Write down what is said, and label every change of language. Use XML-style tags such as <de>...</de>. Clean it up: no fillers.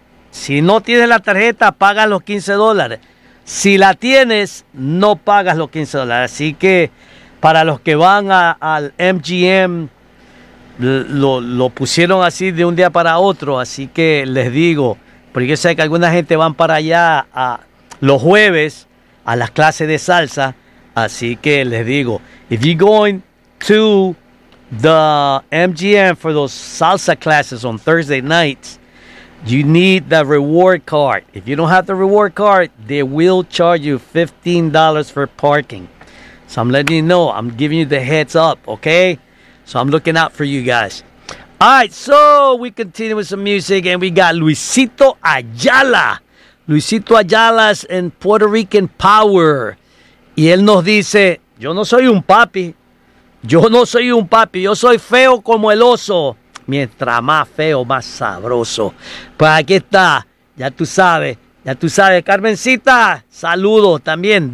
<es>Si no tienes la tarjeta, pagas los $15. Si la tienes, no pagas los $15. Así que para los que van al MGM, lo pusieron así de un día para otro. Así que les digo, porque yo sé que alguna gente van para allá a los jueves a las clases de salsa. Así que les digo,</es> <en>if you're going to the MGM for those salsa classes on Thursday nights, you need the reward card. If you don't have the reward card, they will charge you $15 for parking. So I'm letting you know. I'm giving you the heads up, okay? So I'm looking out for you guys. All right, so we continue with some music, and we got Luisito Ayala. Luisito Ayala's in Puerto Rican Power.</en> <es>Y él nos dice, yo no soy un papi. Yo no soy un papi. Yo soy feo como el oso. Mientras más feo, más sabroso. Pues aquí está, ya tú sabes, ya tú sabes. Carmencita, saludos también.</es>